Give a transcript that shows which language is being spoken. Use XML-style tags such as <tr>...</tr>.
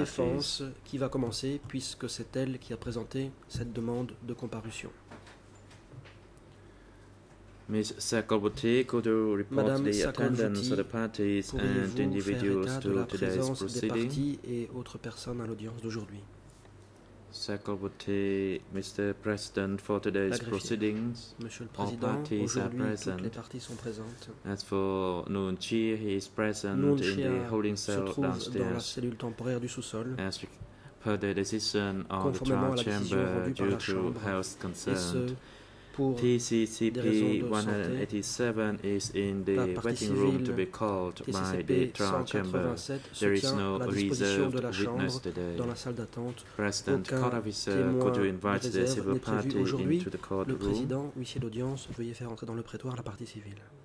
<fr>Défense qui va commencer puisque c'est elle qui a présenté cette demande de comparution.</fr> <en>Ms. Sakobuti, could you report</en> <fr>Madame</fr> <en>the attendance of the parties and individuals to today's proceeding?</en> <fr>Et autres personnes à l'audience d'aujourd'hui.</fr> <en>Sakobuti, Mr. President, for today's proceedings,</en> <fr>Monsieur le Président,</fr> <en>all parties are present.</en> <fr>Les parties sont présentes.</fr> <en>As for Nguyen Chi, he is present in the holding cell downstairs.</en> <fr>Dans la cellule temporaire du sous-sol.</fr> <en>As per the decision of the trial chamber due to health concerns. TCCP 187 is in the waiting room to be called by the trial chamber. There is no reserved witness today. President, court officer, could you invite the civil party into the courtroom?</en> <fr>Le président, huissier d'audience, veuillez faire entrer dans le prétoire la partie civile.</fr>